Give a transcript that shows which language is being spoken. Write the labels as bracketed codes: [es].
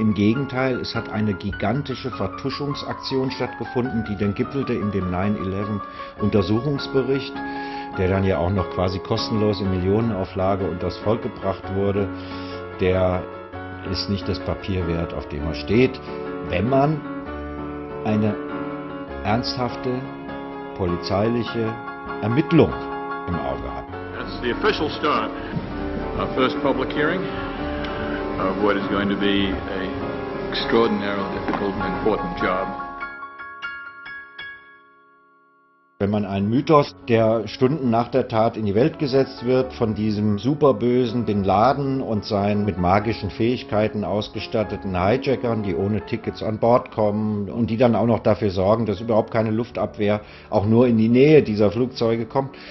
[de] Im Gegenteil, es hat eine gigantische Vertuschungsaktion stattgefunden, die dann gipfelte in dem 9/11-Untersuchungsbericht, der dann ja auch noch quasi kostenlos in Millionenauflage unters Volk gebracht wurde. Der ist nicht das Papier wert, auf dem er steht. Wenn man eine ernsthafte polizeiliche Ermittlung im Auge hat. [en] That's the official start. Our first public hearing of what is going to be an extraordinarily difficult and important job. [de] Wenn man einen Mythos, der Stunden nach der Tat in die Welt gesetzt wird, von diesem superbösen Bin Laden und seinen mit magischen Fähigkeiten ausgestatteten Hijackern, die ohne Tickets an Bord kommen und die dann auch noch dafür sorgen, dass überhaupt keine Luftabwehr auch nur in die Nähe dieser Flugzeuge kommt.